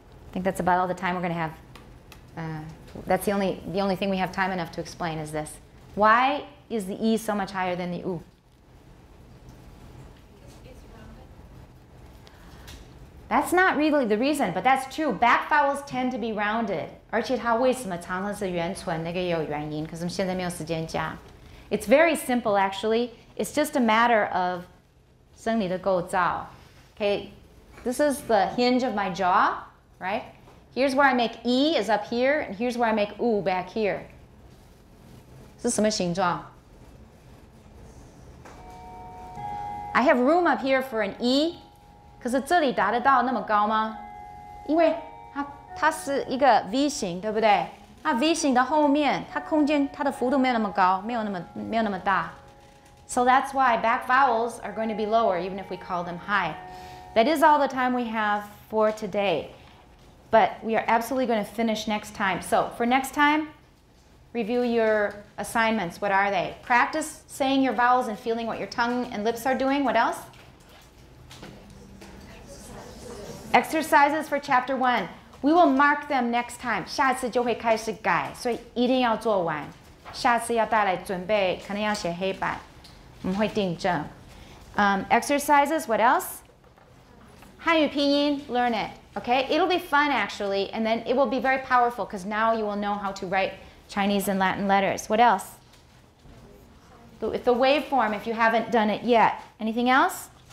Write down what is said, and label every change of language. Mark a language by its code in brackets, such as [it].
[en] I think that's about all the time we're going to have. That's the only thing we have time enough to explain is this. Why is the E so much higher than the U? That's not really the reason, but that's true. Back vowels tend to be rounded. [zh] 而且它为什么常常是圆唇，那个也有原因，可是我们现在没有时间讲。 [en] It's very simple, actually. It's just a matter of [zh] 生理的构造. [en] Okay, this is the hinge of my jaw, right? Here's where I make E is up here, and here's where I make U back here. [zh] 是什么形状？ [en] I have room up here for an E, [zh] 可是这里达得到那么高吗？因为它是一个 V 型，对不对？那 V 型的后面，它空间它的幅度没有那么高，没有那么大。 [en] So that's why back vowels are going to be lower, even if we call them high. That is all the time we have for today. But we are absolutely going to finish next time. So for next time, review your assignments. What are they? Practice saying your vowels and feeling what your tongue and lips are doing. What else? Exercises for chapter one. We will mark them next time. [zh] 下次就会开始改，所以一定要做完。下次要带来准备，可能要写黑板，我们会订正。 [en] Exercises, what else? [zh] 汉语拼音, [en] learn it. Okay, it'll be fun actually, and then it will be very powerful because now you will know how to write Chinese and Latin letters. What else? The waveform, if you haven't done it yet. Anything else?